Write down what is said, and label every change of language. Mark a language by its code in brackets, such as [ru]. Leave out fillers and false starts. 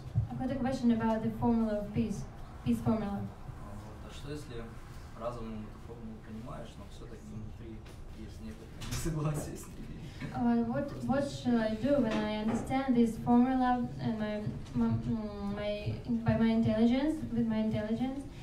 [en] I've got a question about the formula of peace. Peace formula. [ru] Что если разум эту формулу понимаешь, но все-таки внутри есть некоторые несогласия с ними? [en] What should I do when I understand this formula and my intelligence?